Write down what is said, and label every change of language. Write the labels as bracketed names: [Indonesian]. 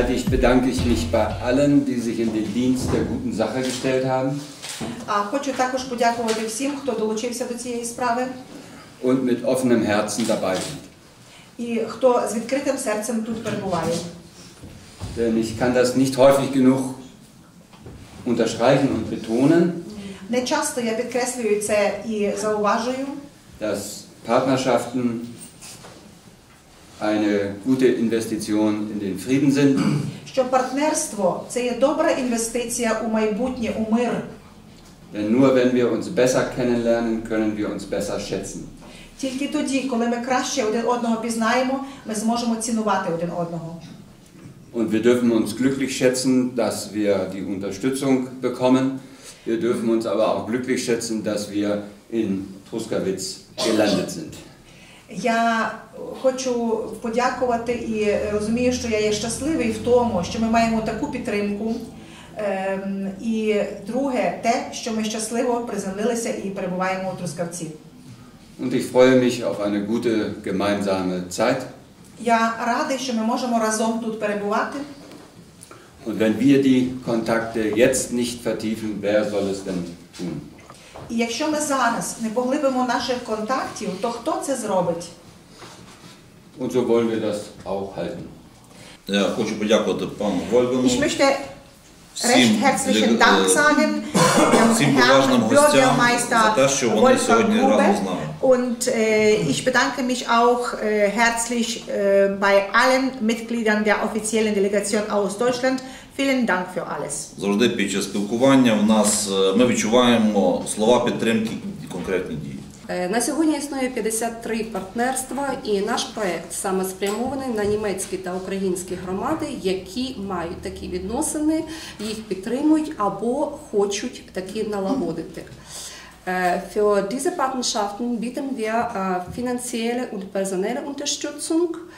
[German] bedanke ich mich bei allen, die sich in den Dienst der guten Sache gestellt haben. [Ukrainian] Хочу також подякувати всім, хто долучився до цієї справи. [German] Und mit offenem Herzen dabei sind. [Ukrainian] І хто з відкритим серцем тут перебуває. [German] Denn ich kann das nicht häufig genug unterstreichen und betonen. [Ukrainian] Не часто я підкреслюю це і зауважую. [German] Dass Partnerschaften eine gute Investition in den Frieden sind. [Ukrainian] Що партнерство це є добра інвестиція у майбутнє, у мир. [German] Denn nur wenn wir uns besser kennenlernen, können wir uns besser schätzen. [Ukrainian] Тільки тоді, коли ми краще один одного пізнаємо, ми зможемо цінувати один одного. [German] Und wir dürfen uns glücklich schätzen, dass wir die Unterstützung bekommen. Wir dürfen uns aber auch glücklich schätzen, dass wir in Truskavitz gelandet sind. [Ukrainian] Я хочу подякувати і розумію, що я є щасливий в тому, що ми маємо таку підтримку. І друге, те, що ми щасливо приземлилися і перебуваємо у Трускавці. [German] Und ich freue mich auf eine gute gemeinsame Zeit. [Ukrainian] Я радий, що ми можемо разом тут перебувати. [German] Und wenn wir die Kontakte jetzt nicht vertiefen, wer soll es denn tun? [Ukrainian] І якщо ми зараз не поглибимо наших контактів, то хто це зробить? [German] Und so wollen wir das auch halten. [Ukrainian] Я хочу подякувати пану Вольгану. [German] Ich möchte recht herzlichen Dank sagen. [Ukrainian] Всім поважним гостям за те, що вони сьогодні разом з нами. [German] Und ich bedanke mich auch herzlich bei allen Mitgliedern der offiziellen Delegation aus Deutschland. Vielen Dank für alles. [Ukrainian] Завжди під час спілкування у нас ми відчуваємо слова підтримки і конкретні дії. На сьогодні існує 53 партнерства, і наш проект саме спрямований на німецькі та українські громади, які мають такі відносини, їх підтримують або хочуть такі налагодити. [German] Für diese Partnerschaften bieten wir finanzielle und personelle Unterstützung.